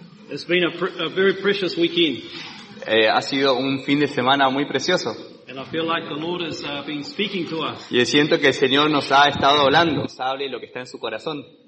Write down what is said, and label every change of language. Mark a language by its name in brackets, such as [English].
[English] It's been a very precious weekend. [Spanish] Ha sido un fin de semana muy precioso. [English] And I feel like the Lord has been speaking to us. [Spanish] Y siento que el Señor nos ha estado hablando. Nos hable lo que está en su corazón.